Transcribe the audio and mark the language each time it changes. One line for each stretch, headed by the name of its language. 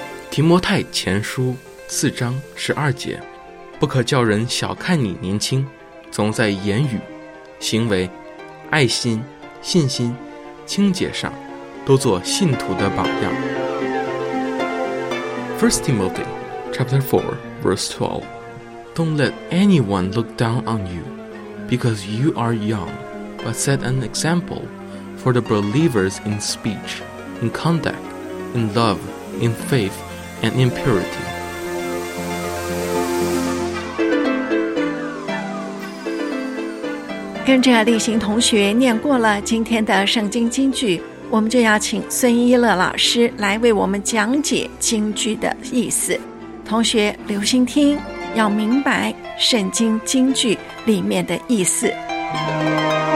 Chinese: 提摩太前书四章十二节，不可叫人小看你年轻，总在言语、行为、爱心、信心、清洁上都做信徒的榜样。
English: 1 Timothy chapter 4 verse 12， Don't let anyone look down on you because you are young, but set an example for the believers in speech, in conduct, in love, in faith and in purity。
Chinese: 跟着例行同学念过了今天的圣经经句，我们就要请孙一乐老师来为我们讲解经句的意思。同学留心听，要明白圣经经句里面的意思。